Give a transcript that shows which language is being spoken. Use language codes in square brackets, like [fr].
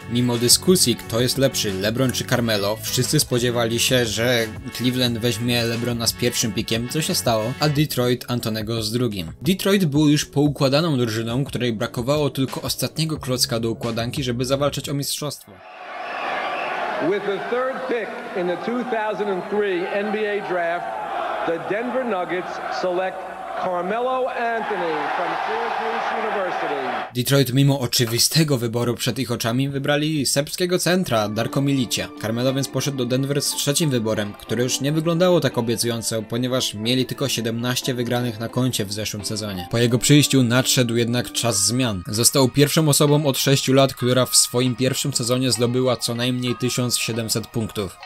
[pl] Mimo dyskusji, kto jest lepszy, LeBron czy Carmelo, wszyscy spodziewali się, że Cleveland weźmie LeBrona z pierwszym pickiem, co się stało, a Detroit Antonego z drugim. Detroit był już poukładaną drużyną, której brakowało tylko ostatniego klocka do układanki, żeby zawalczyć o mistrzostwo. [en] With the third pick in the 2003 NBA draft, the Denver Nuggets select Carmelo Anthony from Syracuse University. [pl] Detroit mimo oczywistego wyboru przed ich oczami wybrali serbskiego centra Darko Milicia. Carmelo więc poszedł do Denver z trzecim wyborem, które już nie wyglądało tak obiecująco, ponieważ mieli tylko 17 wygranych na koncie w zeszłym sezonie. Po jego przyjściu nadszedł jednak czas zmian. Został pierwszą osobą od 6 lat, która w swoim pierwszym sezonie zdobyła co najmniej 1700 punktów.